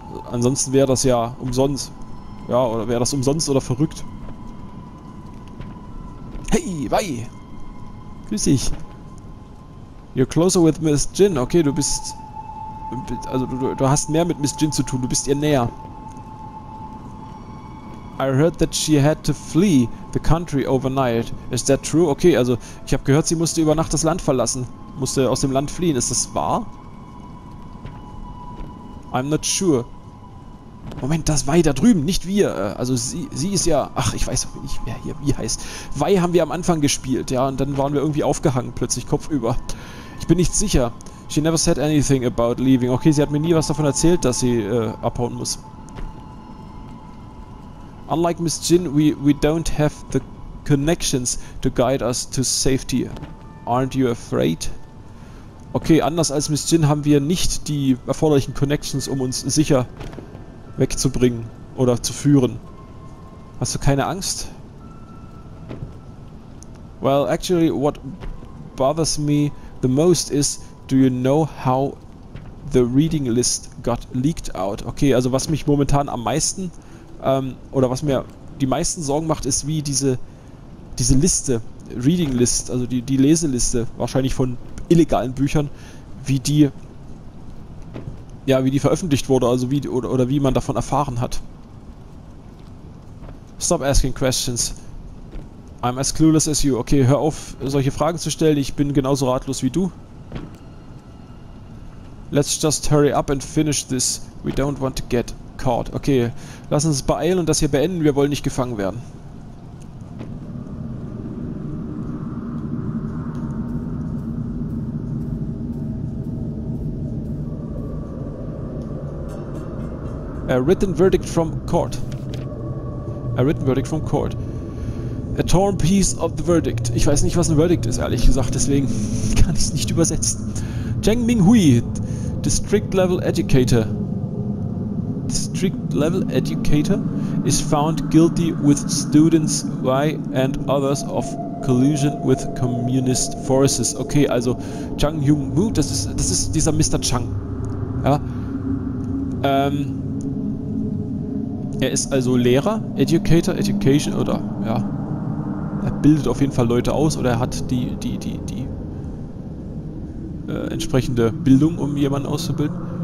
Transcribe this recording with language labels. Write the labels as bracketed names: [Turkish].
[German] Ansonsten wäre das ja umsonst. Ja, oder wäre das umsonst oder verrückt. Hey, wei! Grüß dich. [English] You're closer with Miss Jin. [German] Okay, du bist... Also, du hast mehr mit Miss Jin zu tun. Du bist ihr näher. [English] I heard that she had to flee the country overnight. Is that true? [German] Okay, also, ich habe gehört, sie musste über Nacht das Land verlassen. Musste aus dem Land fliehen. Ist das wahr? [English] I'm not sure. [German] Moment, das Wei da drüben, nicht wir. Also sie ist ja... Ach, ich weiß nicht, wer hier wie heißt. Wei haben wir am Anfang gespielt, ja. Und dann waren wir irgendwie aufgehangen, plötzlich kopfüber. Ich bin nicht sicher. [English] She never said anything about leaving. [German] Okay, sie hat mir nie was davon erzählt, dass sie abhauen muss. [English] Unlike Miss Jin, we don't have the connections to guide us to safety. Aren't you afraid? [German] Okay, anders als Miss Jin haben wir nicht die erforderlichen Connections, um uns sicher wegzubringen oder zu führen. Hast du keine Angst? [English] Well, actually, what bothers me the most is, do you know how the reading list got leaked out? [German] Okay, also was mich momentan am meisten, oder was mir die meisten Sorgen macht, ist, wie diese Liste, Reading List, also die Leseliste, wahrscheinlich von illegalen Büchern, wie die veröffentlicht wurde, also wie oder wie man davon erfahren hat. [English] Stop asking questions. I'm as clueless as you. [German] Okay, hör auf, solche Fragen zu stellen. Ich bin genauso ratlos wie du. [English] Let's just hurry up and finish this. We don't want to get caught. [German] Okay, lass uns beeilen und das hier beenden. Wir wollen nicht gefangen werden. [English] A written verdict from court. A written verdict from court. A torn piece of the verdict. [German] Ich weiß nicht, was ein Verdict ist, ehrlich gesagt, deswegen kann ich es nicht übersetzen. [English] Cheng Minghui, District Level Educator. District Level Educator is found guilty with students Y and others of collusion with communist forces. [German] Okay, also Chang Yung-Mu, das ist dieser Mr. Chang. Ja. Er ist also Lehrer, Educator, Education, oder ja. Er bildet auf jeden Fall Leute aus, oder er hat die entsprechende Bildung, um jemanden auszubilden.